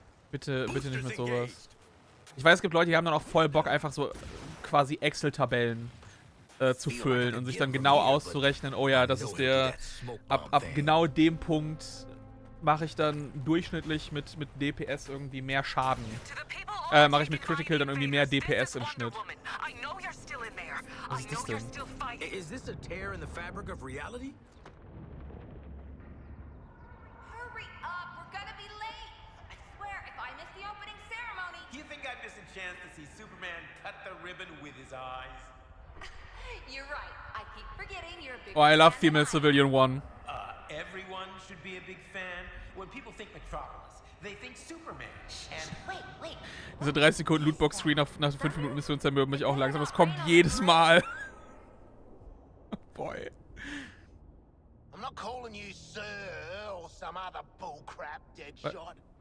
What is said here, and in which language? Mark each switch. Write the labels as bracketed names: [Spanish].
[German] Bitte nicht mit sowas. Ich weiß, es gibt Leute, die haben dann auch voll Bock, einfach so quasi Excel-Tabellen zu füllen und sich dann genau auszurechnen, oh ja, das ist der, ab genau dem Punkt mache ich dann durchschnittlich mit DPS irgendwie mehr Schaden. Mache ich mit Critical dann irgendwie mehr DPS im Schnitt. Was ist das denn? [English] Is this a tear in the fabric of reality? Hurry up, we're gonna be late. I swear, if I miss the opening ceremony. You think I missed a chance to see Superman cut the ribbon with his eyes? You're right. I keep forgetting you're a big fan. Oh, I love Female Civilian 1. Everyone should be a big fan. When people think Metropolis, they think Superman. And wait. [German] Diese 30 Sekunden Lootbox Screen nach 5 Minuten Mission zermürben mich auch langsam. Es kommt jedes Mal. Boy. [English] I'm not calling you sir or some other bullcrap deadshot.